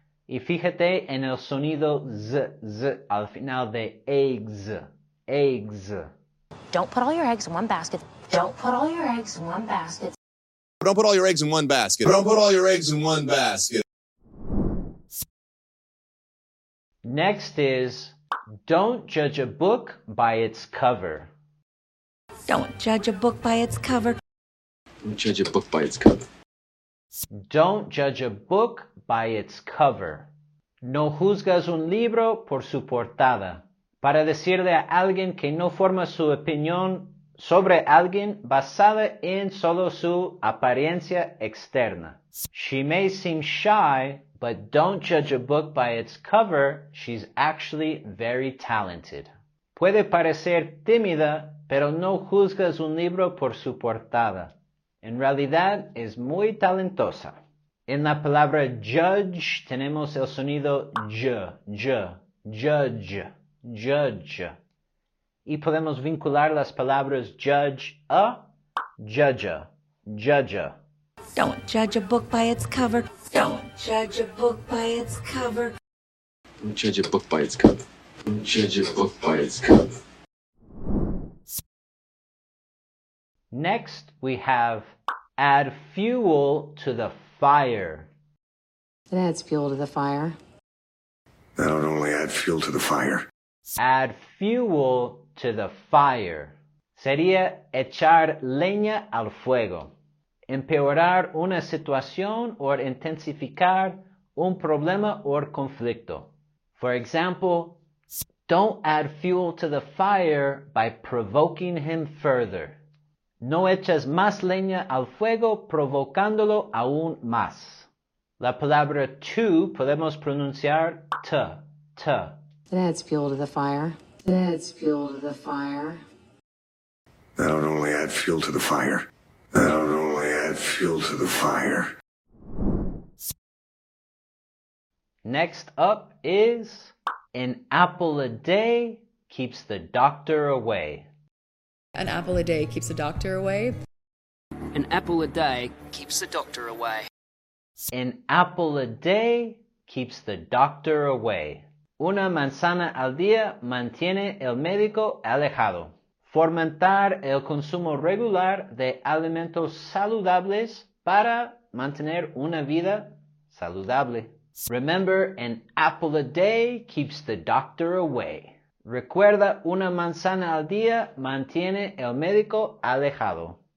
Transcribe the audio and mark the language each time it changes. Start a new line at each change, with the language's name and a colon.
Spanish: Y fíjate en el sonido z, z al final de eggs.
English: Eggs. Don't put all your eggs in one basket. Don't put all your eggs in one basket. Don't put all your eggs in one basket. Don't put all your eggs in one basket. Next is don't judge a book by its cover. Don't judge a book by its cover. Don't judge a book by its cover. Don't judge a book by its cover.
Spanish: No juzgas un libro por su portada. Para decirle a alguien que no forma su opinión sobre alguien basada en solo su apariencia externa.
English: She may seem shy, but don't judge a book by its cover. She's actually very talented.
Spanish: Puede parecer tímida, pero no juzgas un libro por su portada. En realidad, es muy talentosa. En la palabra judge, tenemos el sonido j, j, judge, judge. Y podemos vincular las palabras judge a, judge a, judge a.
English: Don't judge a book by its cover. Don't judge a book by its cover. Don't judge a book by its cover. Don't judge a book by its cover. Next, we have add fuel to the fire. It adds fuel to the fire. That would only add fuel to the fire. Add fuel to the fire.
Spanish: Sería echar leña al fuego. Empeorar una situación o intensificar un problema o conflicto.
English: For example, don't add fuel to the fire by provoking him further.
Spanish: No echas más leña al fuego provocándolo aún más. La palabra to podemos pronunciar t, t.
English: It adds fuel to the fire. It adds fuel to the fire. That would only add fuel to the fire. That would only add fuel to the fire. Next up is an apple a day keeps the doctor away. An apple a day keeps the doctor away. An apple a day keeps the doctor away. An apple a day keeps the doctor away.
Spanish: Una manzana al día mantiene el médico alejado. Fomentar el consumo regular de alimentos saludables para mantener una vida saludable.
English: Remember, an apple a day keeps the doctor away.
Spanish: Recuerda, una manzana al día mantiene el médico alejado.